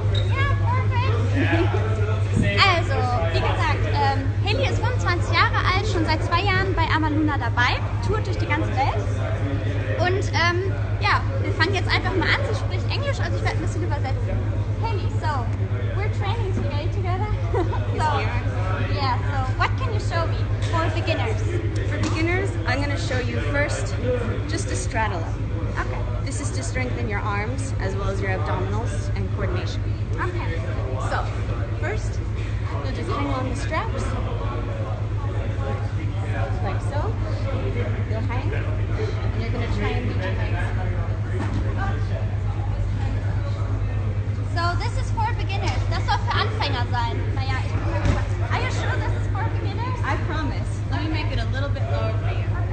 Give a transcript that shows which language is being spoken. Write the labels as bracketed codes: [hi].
[de] Ja, perfekt. Also, wie gesagt, Hayley ist 25 Jahre alt, schon seit 2 Jahren bei Amaluna dabei, tourt durch die ganze Welt. Und wir fangen jetzt einfach mal an. Sie spricht Englisch, also ich werde ein bisschen übersetzen. [en] Hayley, so, we're training together. So, yeah, so, what can you show me for beginners? I'm going to show you first just a straddle up. Okay. This is to strengthen your arms as well as your abdominals and coordination. Okay. So, first, you'll just hang on the straps. Like so. You'll hang. And you're going to try and beat your legs. So, this is for beginners. [de] Das soll für Anfänger sein. Naja, ich bin mir gespannt. [en] Are you sure this is for beginners? I promise. Let me make it a little bit lower for you.